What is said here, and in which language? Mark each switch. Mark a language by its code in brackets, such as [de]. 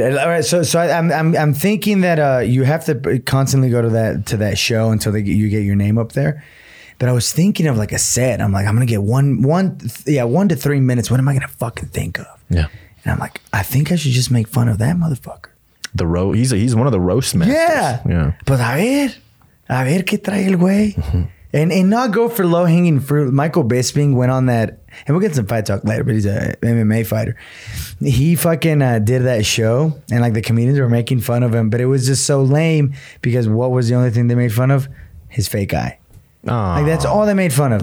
[en] All right, so I'm thinking that you have to constantly go to that show until you get your name up there. But I was thinking of like a set. I'm like, I'm going to get one to 3 minutes. What am I going to fucking think of? Yeah. And I'm like, I think I should just make fun of that motherfucker. The roast. He's one of the roast masters. Yeah. Yeah. [es] But a ver qué trae el güey. [en] Mm-hmm. And not go for low hanging fruit. Michael Bisping went on that, and we'll get some fight talk later, but he's a MMA fighter. He fucking did that show, and like the comedians were making fun of him, but it was just so lame because what was the only thing they made fun of? His fake eye. Aww, like that's all they made fun of.